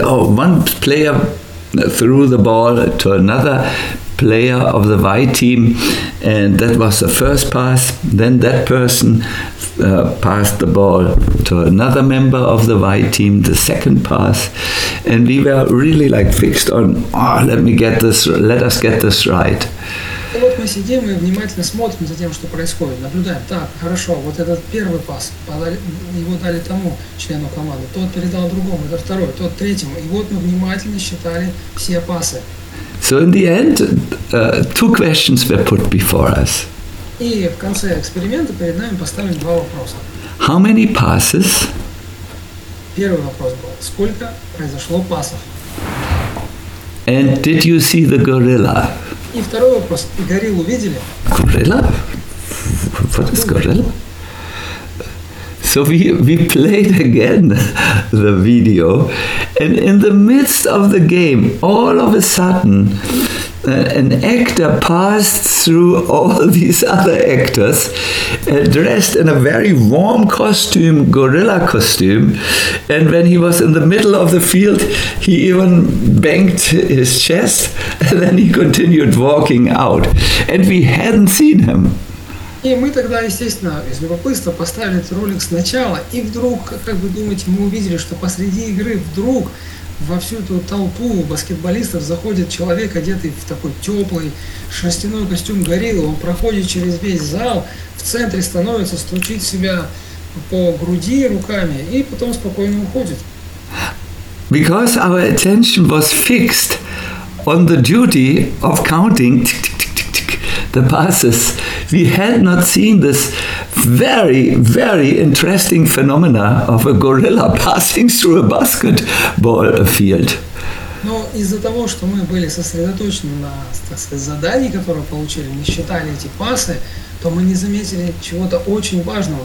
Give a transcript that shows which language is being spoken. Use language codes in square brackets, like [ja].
[en] Oh, one player threw the ball to another player of the white team, and that was the first pass. Then that person passed the ball to another member of the white team, the second pass, and we were really like fixed on, oh, let us get this right. [ru] Вот мы сидим и внимательно смотрим за тем, что происходит, наблюдаем. Так, хорошо, вот этот первый пас, его дали тому члену команды, тот передал другому, это второй, тот третьему. И вот мы внимательно считали все пасы. [en] So in the end, two questions were put before us. [ru] И в конце эксперимента перед нами поставили два вопроса. [en] How many passes? [ru] Первый вопрос был, сколько произошло пасов? [en] And did you see the gorilla? [ru] И второй вопрос, гориллу видели? [en] Gorilla? What is gorilla? So we played again the video, and in the midst of the game, all of a sudden, an actor passed through all these other actors, dressed in a very warm costume, gorilla costume, and when he was in the middle of the field, he even banged his chest, and then he continued walking out, and we hadn't seen him. [ru] И мы тогда, естественно, из любопытства поставили этот ролик сначала, и вдруг, как вы думаете, мы увидели, что посреди игры вдруг во всю эту толпу баскетболистов заходит человек, одетый в такой теплый шерстяной костюм гориллы, он проходит через весь зал, в центре становится, стучит себя по груди руками и потом спокойно уходит. [en] Because our attention was fixed on the duty of counting the passes, we had not seen this very, very interesting phenomena of a gorilla passing through a basketball field. [ru] Но из-за того, что мы были сосредоточены на, так сказать, задании, которое получили, не считали эти пасы, то мы не заметили чего-то очень важного.